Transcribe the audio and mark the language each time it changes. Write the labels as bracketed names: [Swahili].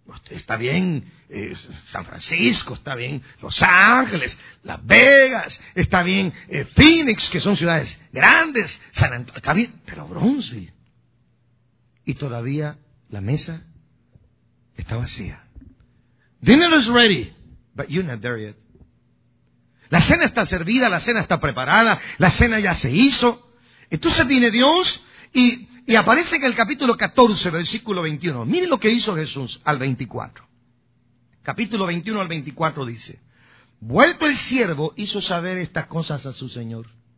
[Spanish] Está bien San Francisco, está bien Los Ángeles, Las Vegas, está bien Phoenix, que son ciudades grandes, San Antonio, está bien, pero Brownsville. Y todavía la mesa está vacía. [English] Dinner is ready, but you're not there yet. [Spanish] La cena está servida, la cena está preparada, la cena ya se hizo. Entonces viene Dios y aparece en el capítulo 14, versículo 21. Miren lo que hizo Jesús al 24. Capítulo 21 al 24 dice: vuelto el siervo, hizo saber estas cosas a su señor.